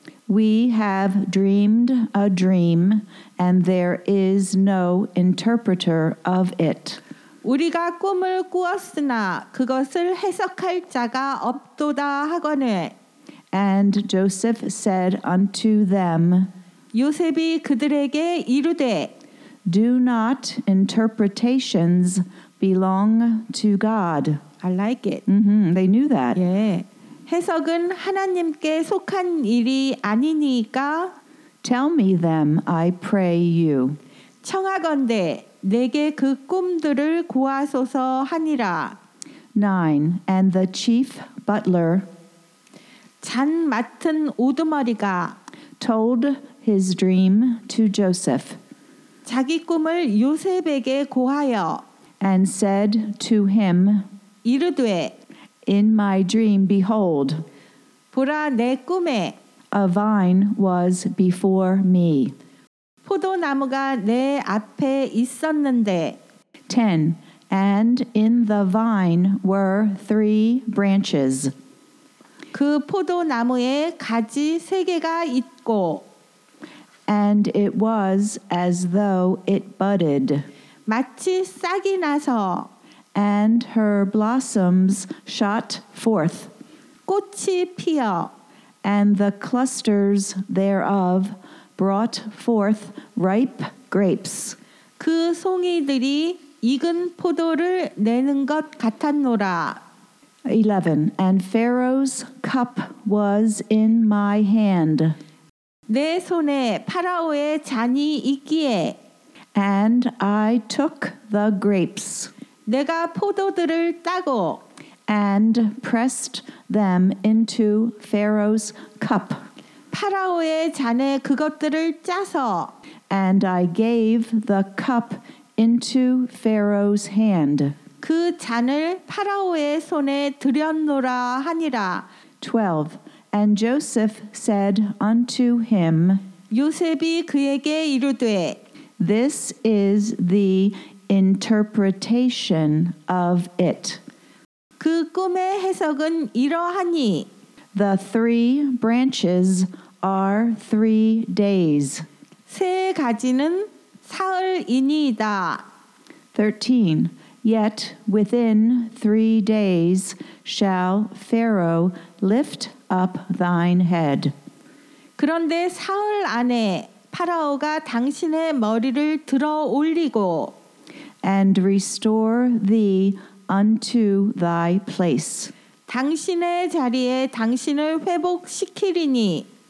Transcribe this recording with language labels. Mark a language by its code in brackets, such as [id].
[en] We have dreamed a dream and there is no interpreter of it. [ko] 우리가 꿈을 꾸었으나 그것을 해석할 자가 없도다 하거늘 [en] And Joseph said unto them [ko] 요셉이 그들에게 이르되 [en] Do not interpretations belong to God? I like it. Mm-hmm. They knew that. Yeah. [ko] 해석은 하나님께 속한 일이 아니니까 [en] Tell me them, I pray you. [ko] 청하건대 내게 그 꿈들을 구하소서 하니라. [en] 9. And the chief butler [ko] 잔 맡은 우두머리가 [en] told his dream to Joseph. [ko] 자기 꿈을 요셉에게 고하여 [en] and said to him [ko] 이르되 [en] In my dream, behold, [ko] 보라 내 꿈에 [en] a vine was before me. [ko] 포도나무가 내 앞에 있었는데 [en] 10. And in the vine were three branches. [ko] 그 포도나무에 가지 세 개가 있고 [en] And it was as though it budded. [ko] 마치 싹이 나서 [en] And her blossoms shot forth. [ko] 꽃이 피어. [en] And the clusters thereof brought forth ripe grapes. [ko] 그 송이들이 익은 포도를 내는 것 같았노라. [en] 11. And Pharaoh's cup was in my hand. [ko] 내 손에 파라오의 잔이 있기에. [en] And I took the grapes. [ko] 내가 포도들을 따고 [en] and pressed them into Pharaoh's cup. [ko] 파라오의 잔에 그것들을 짜서 [en] and I gave the cup into Pharaoh's hand. [ko] 그 잔을 파라오의 손에 드렸노라 하니라. [en] 12. And Joseph said unto him [ko] 요셉이 그에게 이르되 [en] This is the interpretation of it. [ko] 그 꿈의 해석은 이러하니 [en] The three branches are 3 days. [ko] 세 가지는 사흘이니이다. [en] 13. Yet within 3 days shall Pharaoh lift up thine head. [ko] 그런데 사흘 안에 파라오가 당신의 머리를 들어 올리고 [en] And restore thee unto thy place. [ko] 당신의 자리에 당신을 회복시키리니.